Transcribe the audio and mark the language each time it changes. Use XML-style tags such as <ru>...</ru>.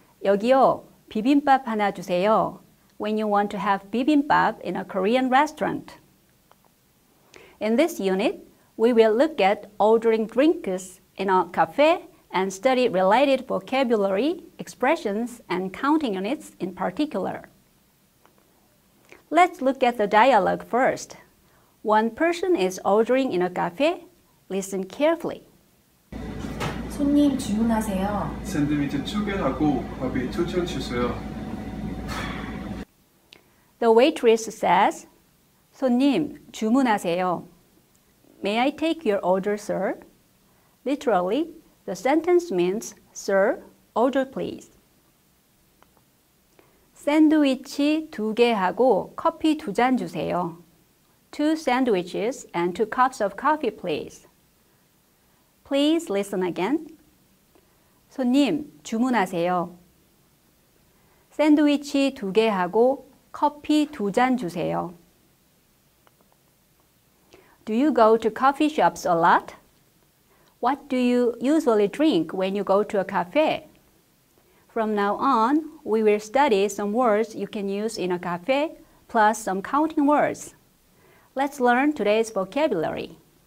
<ko>여기요, 비빔밥 하나 주세요,</ko> <en>when you want to have bibimbap in a Korean restaurant. In this unit, we will look at ordering drinks in a cafe and study related vocabulary, expressions, and counting units in particular. Let's look at the dialogue first. One person is ordering in a cafe. Listen carefully.</en> <ko>손님 주문하세요. 샌드위치 두 개하고 밥이 두 잔 주세요.</ko> <en>The waitress says,</en> <ko>손님 주문하세요.</ko> <en>May I take your order, sir? Literally, the sentence means, sir, order please.</en> <ko>샌드위치 두 개하고 커피 두 잔 주세요.</ko> <en>Two sandwiches and two cups of coffee, please. Please listen again.</en> <ko>손님, 주문하세요. 샌드위치 두 개하고 커피 두 잔 주세요.</ko> <en>Do you go to coffee shops a lot? What do you usually drink when you go to a cafe? From now on, we will study some words you can use in a cafe, plus some counting words. Let's learn today's vocabulary.</en>